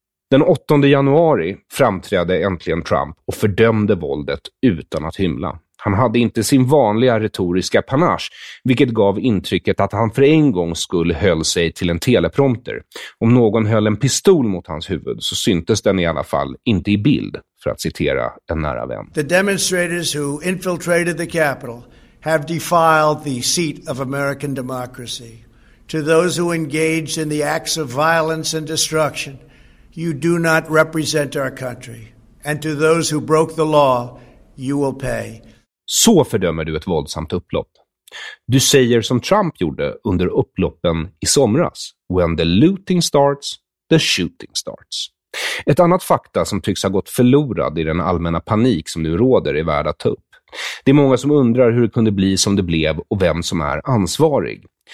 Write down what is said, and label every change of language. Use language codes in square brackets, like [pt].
[sv] Den 8 januari framträdde äntligen Trump och fördömde våldet utan att hymla. Han hade inte sin vanliga retoriska panache, vilket gav intrycket att han för en gång skulle höll sig till en teleprompter. Om någon höll en pistol mot hans huvud så syntes den i alla fall inte i bild, för att citera en nära vän. [en] The demonstrators who infiltrated the Capitol have defiled the seat of American democracy. To those who engaged in the acts of violence and destruction, you do not represent our country. And to those who broke the law, you will pay. [sv] Så fördömer du ett våldsamt upplopp. Du säger som Trump gjorde under upploppen i somras: [en] "When the looting starts, the shooting starts." [sv] Ett annat fakta som tycks ha gått förlorad i den allmänna panik som nu råder är värd att ta upp. Det är många som undrar hur det kunde bli som det blev och vem som är ansvarig.